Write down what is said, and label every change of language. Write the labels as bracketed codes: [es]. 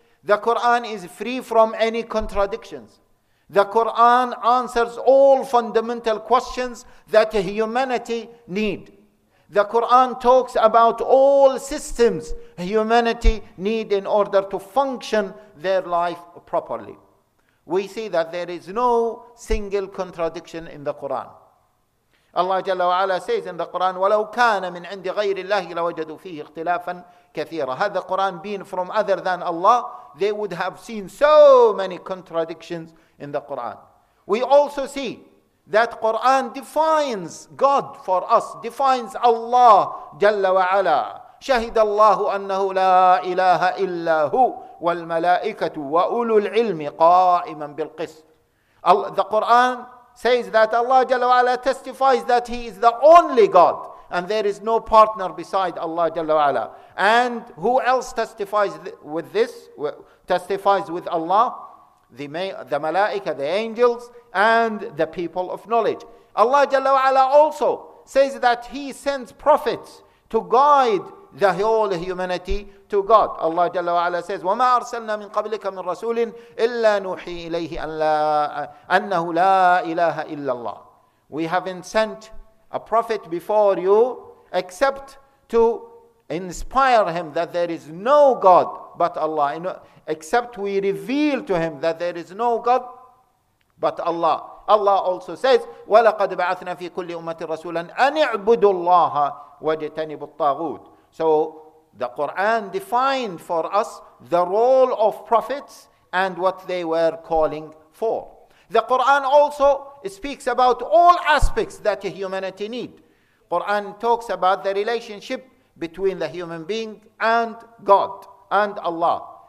[en] The Quran is free from any contradictions. The Quran answers all fundamental questions that humanity need. The Quran talks about all systems humanity need in order to function their life properly. We see that there is no single contradiction in the Quran. Allah Jalla wa Ala says in the Quran, [ar] وَلَوْ كَانَ مِنْ عِنْدِ غَيْرِ اللَّهِ لَوَجَدُوا فِيهِ اخْتِلَافًا كَثِيرًا. [en] Had the Quran been from other than Allah, they would have seen so many contradictions in the Quran. We also see that Quran defines God for us, defines Allah Jalla wa Ala. [ar] شَهِدَ اللَّهُ أَنَّهُ لَا إِلَهَ إِلَّا هُوَ وَالْمَلَائِكَةُ وَأُولُو الْعِلْمِ قَائِمًا بِالْقِسْطِ. [en] The Quran says that Allah Jalla wa Ala testifies that He is the only God and there is no partner beside Allah Jalla wa Ala. And who else testifies with this? Testifies with Allah? The Malaika, the angels, and the people of knowledge. Allah Jalla wa Ala also says that He sends prophets to guide the whole humanity to God. Allah Jalla wa Ala says, [ar] وَمَا أَرْسَلْنَا مِنْ قَبْلِكَ مِنْ رَسُولٍ إِلَّا نُوحِي إِلَيْهِ أَنَّهُ لَا إِلَهَ إِلَّا اللَّهِ. [en] We haven't sent a prophet before you except to inspire him that there is no God but Allah. Except we reveal to him that there is no God but Allah. Allah also says, [ar] وَلَقَدْ بَعَثْنَا فِي كُلِّ أُمَّةٍ رَسُولًا أَنِ اعْبُدُوا اللَّهَ وَاجْتَنِبُوا الطَّاغُوتِ. [en] So the Quran defined for us the role of prophets and what they were calling for. The Quran also speaks about all aspects that humanity need. Quran talks about the relationship between the human being and God and Allah.